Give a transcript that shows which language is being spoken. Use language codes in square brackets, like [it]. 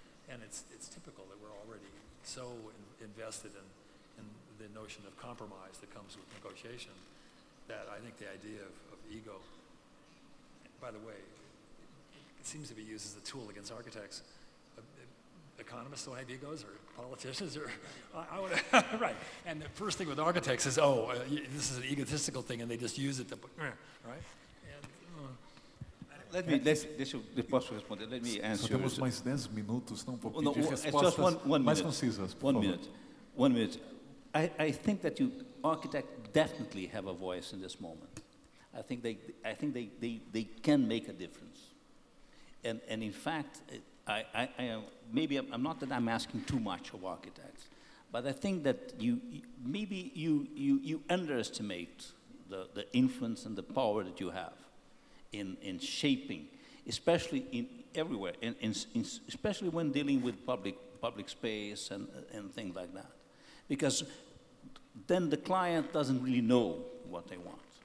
[en] And it's typical that we're already so invested in the notion of compromise that comes with negotiation that I think the idea of ego, by the way, it seems to be used as a tool against architects. Economists don't have egos, or politicians, or I would, right. And the first thing with architects is, oh, this is an egotistical thing, and they just use it to, right? And, let me [pt] posso responder. [en] Let me answer. [pt] Só temos mais 10 minutos, não vou pedir respostas mais concisas. [en] One minute. I think that you architects definitely have a voice in this moment. I think they can make a difference. And in fact, I'm not that I'm asking too much of architects, but I think that you underestimate the influence and the power that you have in shaping, especially in everywhere, in especially when dealing with public space and things like that, because then the client doesn't really know what they want.